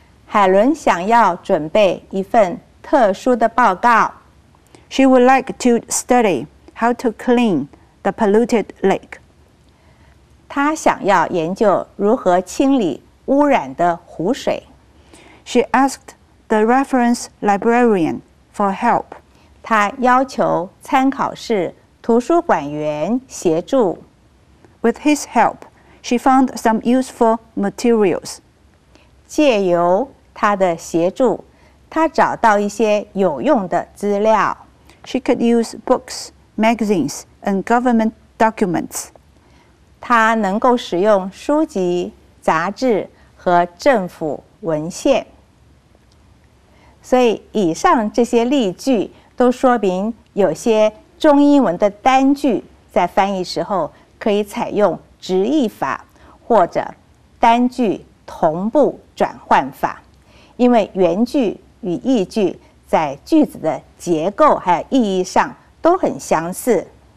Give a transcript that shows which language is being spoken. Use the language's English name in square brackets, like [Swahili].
[Chinese] 海伦想要准备一份特殊的报告。 [English] She would like to study how to clean the polluted lake. [Chinese] 她想要研究如何清理污染的湖水。 [English] She asked the reference librarian for help. [Chinese] 她要求参考室图书馆员协助。 [English] With his help, she found some useful materials. [Chinese] 借由她的协助，她找到一些有用的资料。 [English] She could use books, magazines, and government documents. [Chinese] 她能够使用书籍、杂志和政府文献。所以，以上这些例句都说明有些中英文的单句在翻译时候可以采用直译法或者单句同步转换法，因为原句与译句在句子的结构还有意义上都很相似。